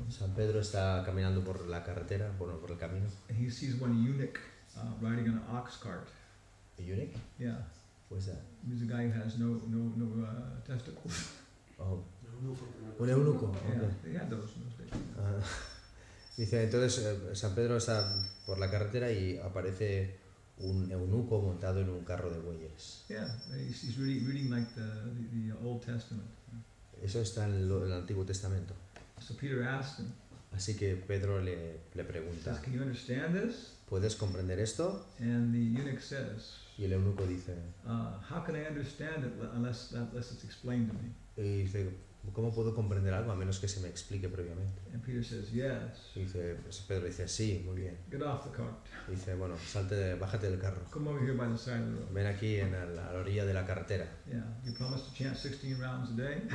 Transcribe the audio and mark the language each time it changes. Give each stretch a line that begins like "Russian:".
Spanish: San Pedro está caminando por la carretera, por el camino.
English: And he sees one eunuch riding on an ox cart. A eunuch? Yeah. What is that? He's a guy who has no testicles. Oh.
Spanish: Un eunuco.
English: Okay. Yeah, they had those in those days.
Spanish: Dice, entonces San Pedro está por la carretera y aparece un eunuco montado en un carro de bueyes.
English: Yeah, he's reading like the Old Testament.
Spanish: Eso está en el Antiguo Testamento.
English: So Peter asked him.
Spanish: Así que Pedro le pregunta.
English: Says, can you understand this?
Spanish: ¿Puedes comprender esto?
English: And the eunuch says.
Spanish: Y el eunuco dice.
English: How can I understand it unless it's explained to me?
Spanish: Y dice, ¿cómo puedo comprender algo a menos que se me explique previamente?
English: And Peter says yes.
Spanish: Y dice, pues Pedro dice sí, muy bien.
English: Get off the cart.
Spanish: Y dice, bueno, bájate del carro.
English: Come over here by the side of the road.
Spanish: Ven aquí en la orilla de la carretera.
English: Yeah, you promise to chant 16 rounds a day.